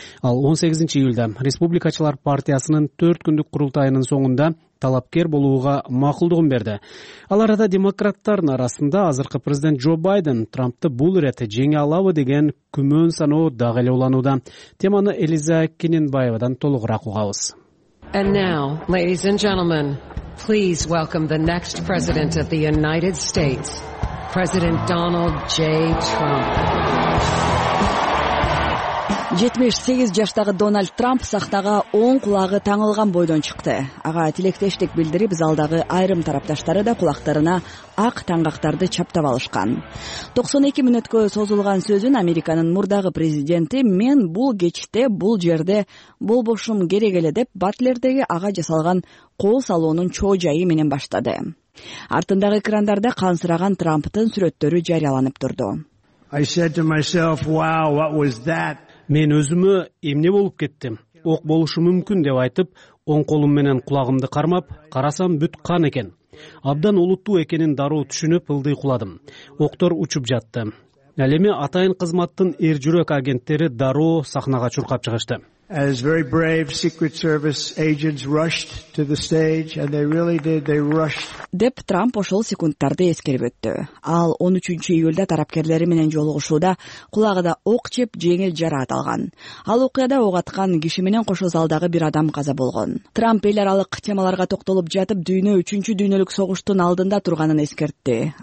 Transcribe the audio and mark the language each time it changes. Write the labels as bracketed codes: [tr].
[ky] Ал 18 июлда Республикачылар партиясынын 4 күндүк курултайынын соңунда талапкер болууга макулдугун берди. Ал арада демократтардын арасында азыркы президент Джо Байден Трампты бул ирете жеңе алабы деген күмөн саноо дагы эле уланууда. Теманы Элиза Кененбаевадан толугураак угабыз. [en] And now, ladies and gentlemen, please welcome the next president of the United States, President Donald J. Trump. [ky] 78 жаштагы Дональд Трамп сахнага оң кулагы таңылган бойдон чыкты. Ага тилектештик билдирип, залдагы айрым тарапташтары да кулактарына ак таңгактарды чаптап алышкан. 92 мүнөткө созулган сөзүн Американын мурдагы президенти «Мен бул кечте, бул жерде болбошум керек эле» деп Батлердеги ага жасалган кол салоонун чоо жайы менен баштады. Артындагы экрандарда кансыраган Трамптын сүрөттөрү жарыяланып турду. [en] I said to myself, "Wow, what was that?" [ky] Мен өзүмө эмне болуп кеттим? Ок болушу мүмкүн деп айтып, оң колум менен кулагымды кармап, карасам бүт кан экен. Абдан олуттуу экенин дароо түшүнүп, ылдый куладым. Октор учуп жатты. Ал эми атайын кызматтын эр жүрөк агенттери дароо сахнага чуркап чыгышты. [en] As very brave secret service agents rushed to the stage and they really did they rushed. [ky] Деп Трамп ошол секундтарды эскерип өттү. Ал 13 июлда тарапкерлери менен жолугушууда кулагында ок жеп жеңил жараат алган. Ал окуяда ок аткан киши менен кошо залдагы бир адам каза болгон. Трамп эл аралык темаларга токтолуп жатып, дүйнө 3-чү дүйнөлүк согуштун алдында турганын эскертти.